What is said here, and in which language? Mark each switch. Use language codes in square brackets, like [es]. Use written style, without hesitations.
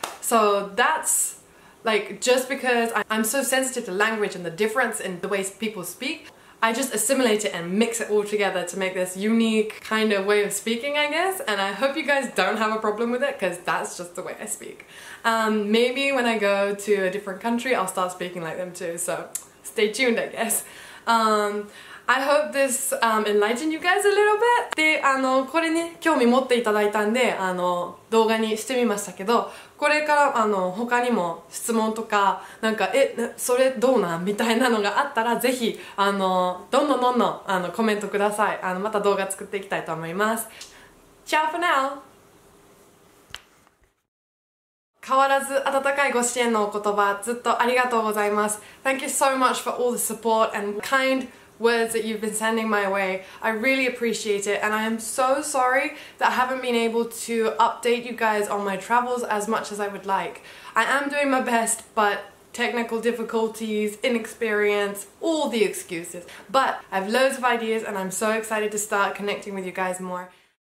[en] So that'sLike, just because I'm so sensitive to language and the difference in the ways people speak, I just assimilate it and mix it all together to make this unique kind of way of speaking, I guess. And I hope you guys don't have a problem with it, because that's just the way I speak. Maybe when I go to a different country, I'll start speaking like them too, so stay tuned, I guess. I hope this enlightened you guys a little bit. [ja] で、これね、興味持っていただいたんで、動画にしてみましたけど、これから、他にも質問とか、なんか、それどうなんみたいなのがあったら、ぜひ、どんどんコメントください。また動画作っていきたいと思います。 [en] Ciao for now! [ja] 変わらず温かいご支援のお言葉、ずっとありがとうございます。 [en] Thank you so much for all the support and kindwords that you've been sending my way. I really appreciate it, and I am so sorry that I haven't been able to update you guys on my travels as much as I would like. I am doing my best, but technical difficulties, inexperience, all the excuses. But I have loads of ideas, and I'm so excited to start connecting with you guys more.